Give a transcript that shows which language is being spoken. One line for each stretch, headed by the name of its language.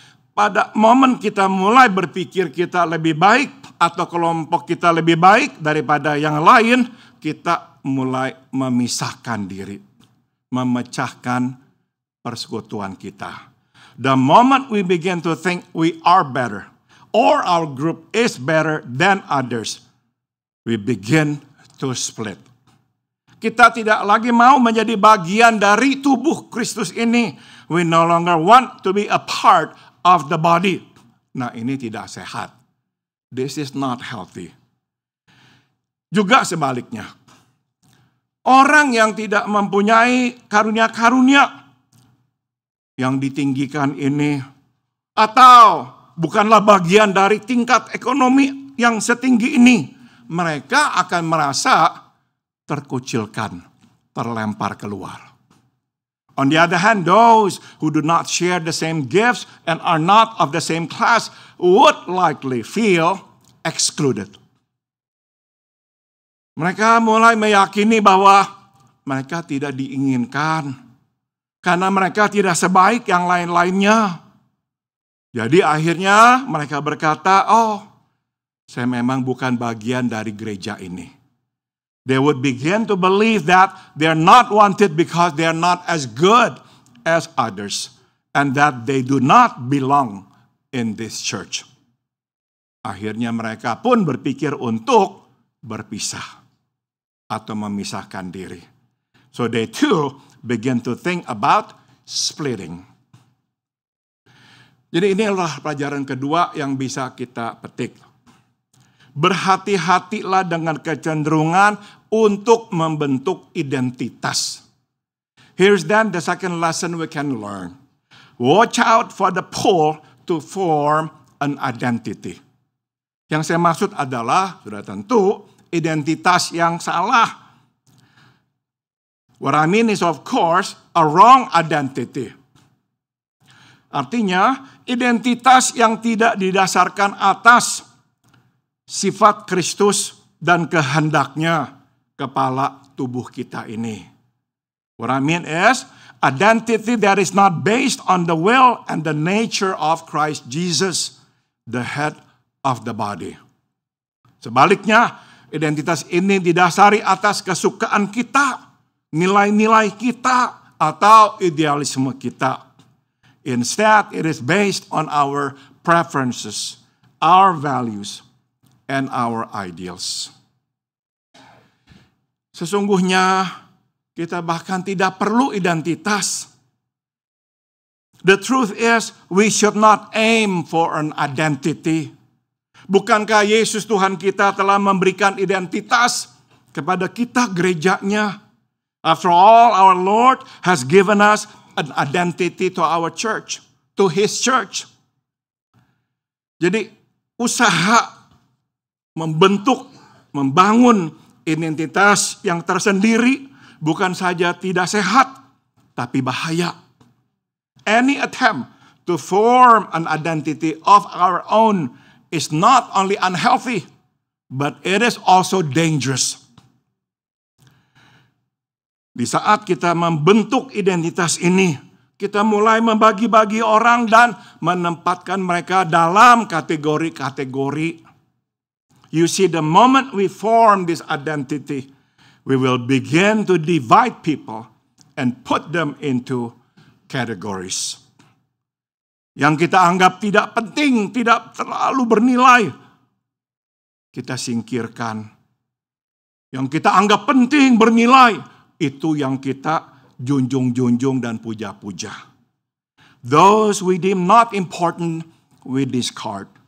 Indonesian: Pada momen kita mulai berpikir kita lebih baik atau kelompok kita lebih baik daripada yang lain, kita mulai memisahkan diri, memecahkan persekutuan kita.
English: The moment we begin to think we are better or our group is better than others, we begin to split.
Indonesian: Kita tidak lagi mau menjadi bagian dari tubuh Kristus ini.
English: We no longer want to be a part of the body.
Indonesian: Nah, ini tidak sehat.
English: This is not healthy.
Indonesian: Juga sebaliknya, orang yang tidak mempunyai karunia-karunia yang ditinggikan ini, atau bukanlah bagian dari tingkat ekonomi yang setinggi ini, mereka akan merasa terkucilkan, terlempar keluar.
English: On the other hand, those who do not share the same gifts and are not of the same class would likely feel excluded.
Indonesian: Mereka mulai meyakini bahwa mereka tidak diinginkan karena mereka tidak sebaik yang lain-lainnya. Jadi akhirnya mereka berkata, oh, saya memang bukan bagian dari gereja ini.
English: They would begin to believe that they are not wanted because they are not as good as others and that they do not belong in this church.
Indonesian: Akhirnya mereka pun berpikir untuk berpisah atau memisahkan diri.
English: So they too begin to think about splitting.
Indonesian: Jadi inilah pelajaran kedua yang bisa kita petik. Berhati-hatilah dengan kecenderungan untuk membentuk identitas.
English: Here's then the second lesson we can learn. Watch out for the pull to form an identity.
Indonesian: Yang saya maksud adalah, sudah tentu, identitas yang salah.
English: What I mean is, of course, a wrong identity.
Indonesian: Artinya, identitas yang tidak didasarkan atas sifat Kristus dan kehendaknya kepala tubuh kita ini.
English: What I mean is, identity that is not based on the will and the nature of Christ Jesus, the head of the body.
Indonesian: Sebaliknya, identitas ini didasari atas kesukaan kita, nilai-nilai kita, atau idealisme kita.
English: Instead, it is based on our preferences, our values, and our ideals.
Indonesian: Sesungguhnya, kita bahkan tidak perlu identitas.
English: The truth is, we should not aim for an identity.
Indonesian: Bukankah Yesus Tuhan kita telah memberikan identitas kepada kita gerejanya?
English: After all, our Lord has given us an identity to our church, to his church.
Indonesian: Jadi, usaha membentuk, membangun identitas yang tersendiri bukan saja tidak sehat, tapi bahaya.
English: Any attempt to form an identity of our own is not only unhealthy, but it is also dangerous.
Indonesian: Di saat kita membentuk identitas ini, kita mulai membagi-bagi orang dan menempatkan mereka dalam kategori-kategori.
English: You see, the moment we form this identity, we will begin to divide people and put them into categories.
Indonesian: Yang kita anggap tidak penting, tidak terlalu bernilai, kita singkirkan. Yang kita anggap penting, bernilai, itu yang kita junjung-junjung dan puja-puja.
English: Those we deem not important, we discard.